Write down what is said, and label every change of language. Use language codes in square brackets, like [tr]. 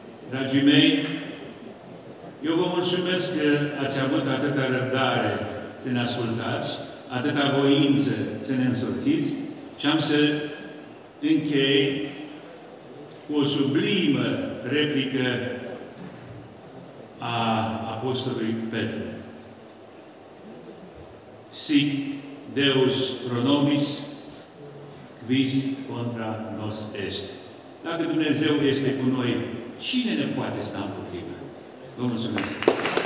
[ro] Dragii mei, eu vă mulțumesc că ați avut atâta răbdare să ne ascultați, atâta voință să ne însoțiți și am să închei cu o sublimă replică a Apostolului Petru. [la] Sic Deus pronomis, quis contra nos est. [ro] Dacă Dumnezeu este cu noi, cine ne poate sta împotrivă? Vă mulțumesc!